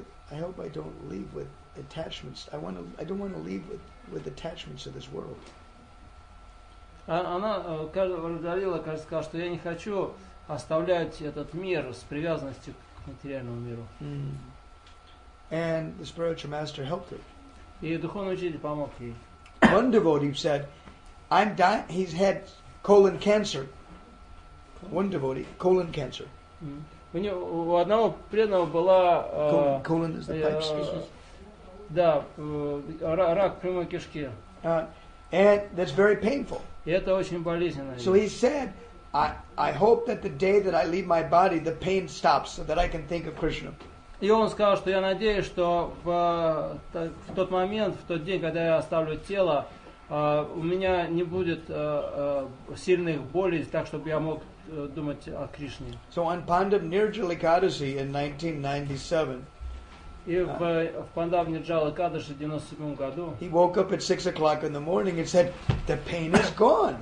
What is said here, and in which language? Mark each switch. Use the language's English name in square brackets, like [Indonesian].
[English] I hope I don't leave with attachments. I don't want to leave with attachments of this world. [Russian] Она Рудалила сказала, что я не хочу оставлять этот мир с привязанностью к материальному миру. [English] And the spiritual master helped her. [Russian] И духовный учитель помог ей. [English] One devotee said, "I'm dying. He's had colon cancer." One devotee, colon cancer. [Russian] У него, у одного преданного была [English] colon is the pipes. [Russian] Да, рак прямой кишки. [English] And that's very painful. [Russian] И это очень болезненно. [English] So he said, "I hope that the day that I leave my body, the pain stops, so that I can think of Krishna." [Russian] И он сказал, что я надеюсь, что в тот момент, в тот день, когда я оставлю тело, у меня не будет сильных болей, так чтобы я мог думать о Кришне. [English] So on Pandav Nirjal Ekadasi in 1997. [Russian] И в Пандав Нирджал Экадаши в 97 году. [English] He woke up at 6 o'clock in the morning and said, "The pain is gone.